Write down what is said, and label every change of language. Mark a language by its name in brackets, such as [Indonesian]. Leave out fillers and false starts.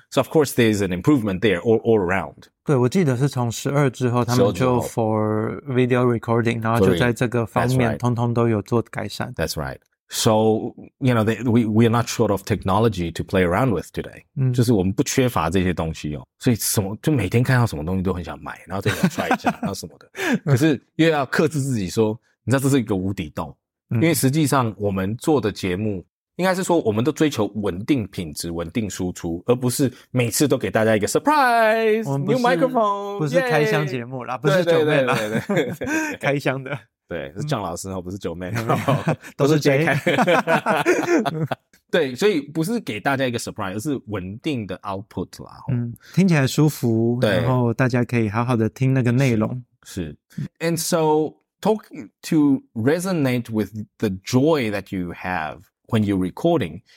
[English] ，So of course there is an improvement there all around。 [Chinese] 对，我记得是从12之后，他们就 for video recording，然后就在这个方面通通都有做改善。 [English] That's right. So you know we are not short of technology to play around with today. 嗯， [Chinese] 就是我们不缺乏这些东西哦。所以什么就每天看到什么东西都很想买，然后再想 try 一下，然后什么的。可是又要克制自己说，你知道这是一个无底洞，因为实际上我们做的节目，应该是说我们都追求稳定品质、稳定输出，而不是每次都给大家一个 surprise new microphone，不是开箱节目啦，不是九妹啦，开箱的，对，是姜老师哦，不是九妹，都是 J 开。对，所以不是给大家一个 surprise， 而是稳定的 output 啦。嗯，听起来舒服，对，然后大家可以好好的听那个内容。 [English] 是 ，and so talk to resonate with the joy that you have when you're recording.